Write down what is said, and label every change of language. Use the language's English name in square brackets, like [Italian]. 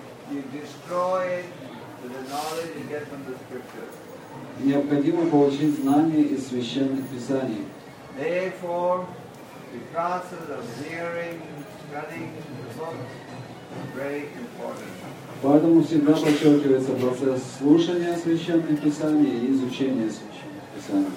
[English] You destroy the knowledge you get from the scriptures. [Russian] Необходимо получить знания из священных писаний. [English] Therefore, the process of hearing, studying the books is very important. [Russian] Поэтому всегда подчеркивается процесс слушания священных писаний и изучения священных писаний.